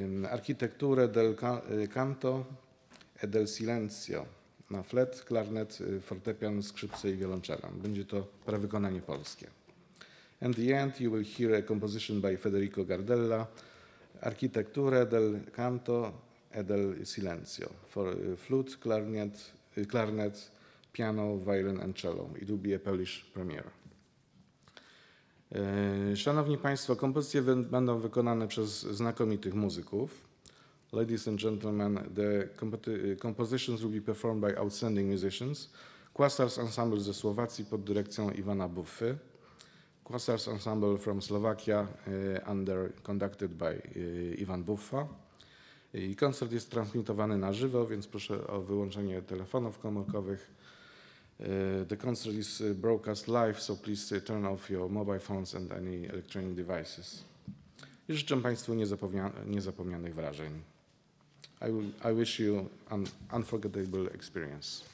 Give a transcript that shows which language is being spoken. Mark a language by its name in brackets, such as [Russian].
[Polish] Architekturę del canto e del silenzio na flet, klarnet, fortepian, skrzypce i wiolonczelę. Będzie to prawykonanie polskie. [English] In the end you will hear a composition by Federico Gardella. Architekturę del canto e del silenzio for flute, klarnet, piano, violin and cello. It will be a Polish premiere. [Polish] Szanowni Państwo, kompozycje będą wykonane przez znakomitych muzyków. [English] Ladies and gentlemen, the compositions will be performed by outstanding musicians. [Polish] Quasars Ensemble ze Słowacji pod dyrekcją Iwana Buffy. [English] Quasars Ensemble from Slovakia, conducted by Iwan Buffa. [Polish] I koncert jest transmitowany na żywo, więc proszę o wyłączenie telefonów komórkowych. [English] The concert is broadcast live, so please turn off your mobile phones and any electronic devices. [Polish] I życzę Państwu niezapomnianych wrażeń. [English] I wish you an unforgettable experience.